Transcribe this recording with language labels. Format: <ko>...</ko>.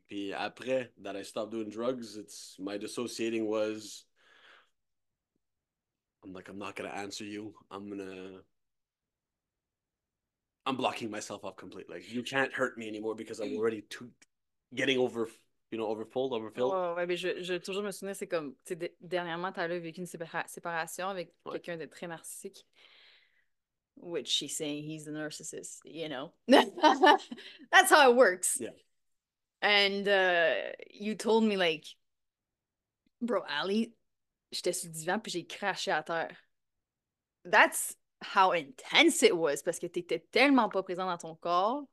<fr>Puis après</fr> <en>that I stopped doing drugs, it's my dissociating was. I'm like, I'm not gonna answer you. I'm blocking myself off completely. Like, you can't hurt me anymore because I'm already too getting over, you know, overfull, overfilled.</en> <fr>Ouais, mais je toujours me souviens, c'est comme, tu sais, dernièrement, tu as vécu une séparation avec quelqu'un de très narcissique.</fr> <en>Which she's saying he's a narcissist, you know? That's how it works. And you told me, like, bro, Ali,</en> <fr>j'étais sur le divan puis j'ai craché à terre.</fr> <en>That's how intense it was,</en> <fr>parce que tu étais tellement pas présent dans ton corps.</fr>